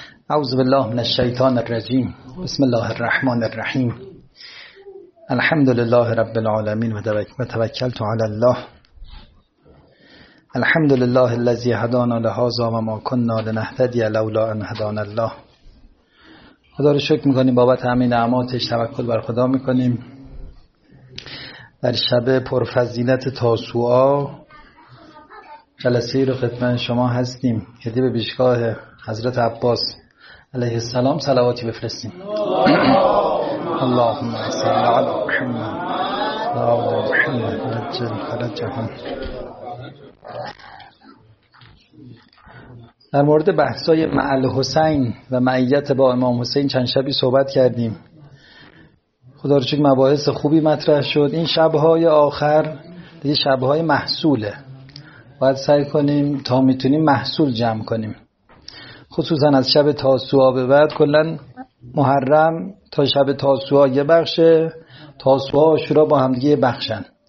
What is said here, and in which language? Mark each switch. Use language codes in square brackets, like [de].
[ar] أعوذ بالله من الشيطان الرجيم. بسم الله الرحمن الرحيم. الحمد لله رب العالمين وتوكلت على الله. الحمد لله الذي هدانا لهذا وما كنا لنهتدي لولا أن هدانا الله. [fa] خدا رو شکر میکنیم بابت همین نعماتش، توکل بر خدا میکنیم. در شب پرفضیلت تاسوعا جلسه ای رو خدمت شما هستیم که دیب بیشگاه حضرت عباس علیه السلام صلواتی بفرستیم. [ar] اللهم صل علی محمد و آل محمد رجل فرجهم. [fa] در مورد بحثای مع الحسین و معیت با امام حسین چند شبی صحبت کردیم. خدا رو شکر مباحث خوبی مطرح شد. این شبهای آخر دیگه شبهای محصوله. باید سعی کنیم تا میتونیم محصول جمع کنیم. خصوصا از شب تاسوعا به بعد، کلن محرم تا شب تاسوعا یه بخشه، تاسوعا و عاشورا با همدیگه بخشن.